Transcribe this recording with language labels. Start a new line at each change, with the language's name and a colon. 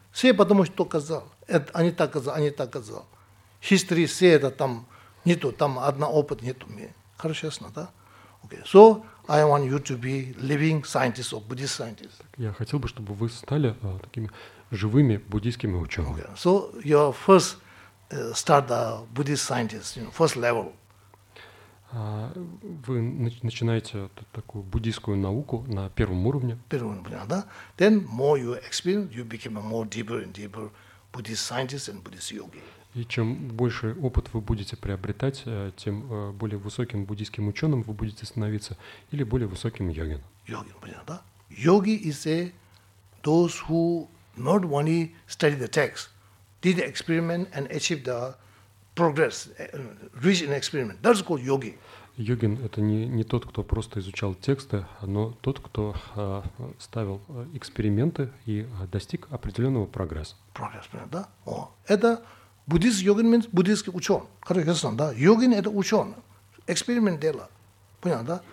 Russian: Все потому что сказал. Это они так сказали, они так сказали. История все это там нету, там одна опыт нету. Хорошо, ясно, да?
English: Okay. So I want you to be living scientists or Buddhist scientists.
Russian: Так, я хотел бы, чтобы вы стали такими живыми буддийскими учеными.
English: Okay. So your first start the Buddhist scientist, you know, first level.
Russian: Вы начинаете такую буддийскую науку на первом уровне. Первом уровне, да?
English: Then more you experience, you become more deeper and deeper. Buddhist scientist and Buddhist yogi.
Russian: И чем больше опыт вы будете приобретать, тем более высоким буддийским ученым вы будете становиться или более высоким йогином. Йогин, понятно, да?
English: Yogi is a those who not only study the text, did the experiment and achieve the progress, reach an experiment. That's called yogi.
Russian: Йогин – это не тот, кто просто изучал тексты, но тот, кто ставил эксперименты и достиг определенного прогресса. Прогресс, да? О, это буддист йогин, буддийский ученый. Хорошо, ясно, да? Йогин – это ученый. Эксперимент делал. Понял, да?